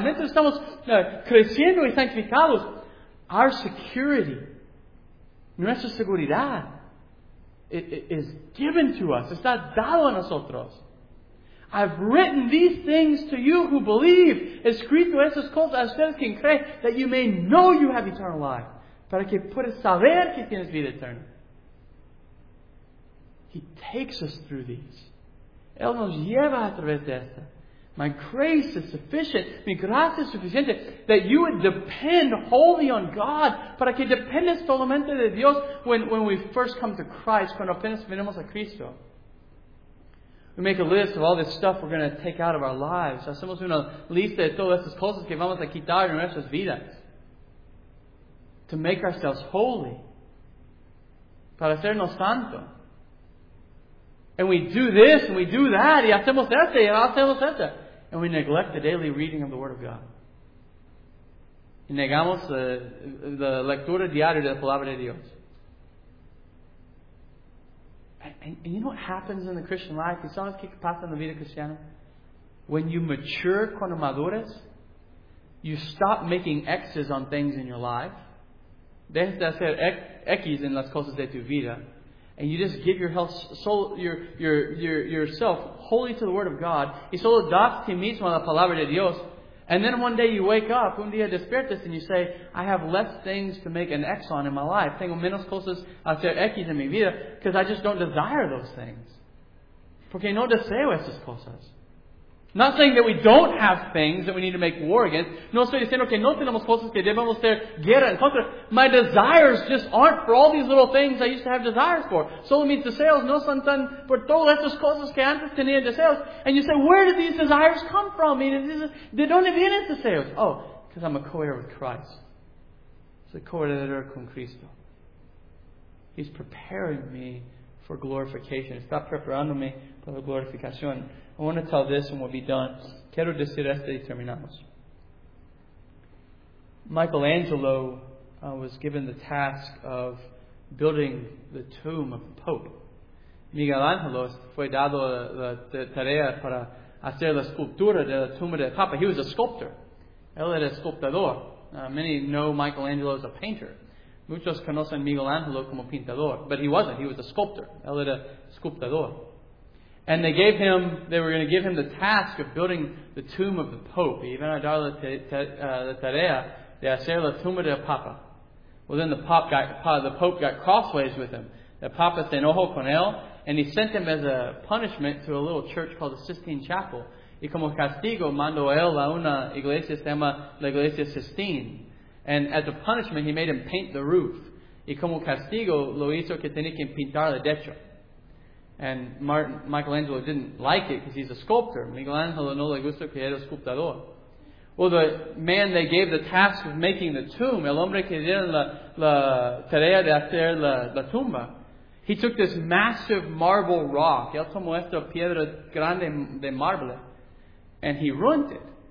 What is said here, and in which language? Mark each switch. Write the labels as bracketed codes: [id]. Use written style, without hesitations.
[es] Mientras estamos creciendo y sanctificados, [en] our security, [es] nuestra seguridad, [en] it is given to us. [es] Está dado a nosotros. [en] I've written these things to you who believe. [es] Escrito esas cosas a ustedes que creen, [en] that you may know you have eternal life. [es] Para que puedas saber que tienes vida eterna. [en] He takes us through these. [es] Él nos lleva a través de esta. [en] My grace is sufficient. [es] Mi gracia es suficiente. [en] That you would depend wholly on God. [es] Para que dependes solamente de Dios. [en] When we first come to Christ. [es] Cuando apenas venimos a Cristo. [en] We make a list of all this stuff we're going to take out of our lives. [es] Hacemos una lista de todas estas cosas que vamos a quitar en nuestras vidas. [en] To make ourselves holy. [es] Para hacernos santo. [en] And we do this and we do that. [es] Y hacemos esto y hacemos esto. [en] And we neglect the daily reading of the Word of God. [es] Y negamos la lectura diaria de la Palabra de Dios. [en] And you know what happens in the Christian life? [es] ¿Y sabes qué pasa en la vida cristiana? [en] When you mature, [es] cuando maduras, [en] you stop making X's on things in your life. [es] Dejas de hacer X's en las cosas de tu vida. [en] And you just give yourself wholly to the Word of God. [es] Y solo das ti mismo a la Palabra de Dios. [en] And then one day you wake up, [es] un día despiertas, [en] and you say, I have less things to make an X on in my life. [es] Tengo menos cosas a hacer X en mi vida, [en] because I just don't desire those things. [es] Porque no deseo esas cosas. [en] Not saying that we don't have things that we need to make war against. [es] No estoy diciendo que no tenemos cosas que debemos hacer guerra en contra. [en] My desires just aren't for all these little things I used to have desires for. [es] Solo mis deseos no son tan por todas estas cosas que antes tenía deseos. [en] And you say, where did these desires come from? [es] ¿De dónde vienen estos deseos? [en] Oh, because I'm a co-heir with Christ. [es] Soy coheredero con Cristo. [en] He's preparing me for glorification. [es] Está preparándome para la glorificación. [en] I want to tell this and we'll be done. [es] Quiero decir esto y terminamos. [en] Michelangelo was given the task of building the tomb of the Pope. [es] Miguel Ángel fue dado la tarea para hacer la escultura de la tumba del Papa. [en] He was a sculptor. [es] Él era escultador. [en] Many know Michelangelo as a painter. [es] Muchos conocen Miguel Ángel como pintador. [en] But he wasn't. He was a sculptor. [es] Él era escultador. [en] And they were going to give him the task of building the tomb of the Pope. [es] Y iban a dar la tarea de hacer la tumba del Papa. [en] Well, then the Pope got crossways with him. The [es] Papa se enojó con él, [en] and he sent him as a punishment to a little church called the Sistine Chapel. [es] Y como castigo, mandó él a una iglesia que se llama la Iglesia Sistine. [en] And as a punishment, he made him paint the roof. [es] Y como castigo, lo hizo que tenía que pintar la techo. [en] And Michelangelo didn't like it because he's a sculptor. [es] Michelangelo no le gustó que era escultador. [en] Well, the man they gave the task of making the tomb, [es] el hombre que dieron la tarea de hacer la tumba, [en] he took this massive marble rock, [es] él tomó esta piedra grande de marble, [en] and he ruined it.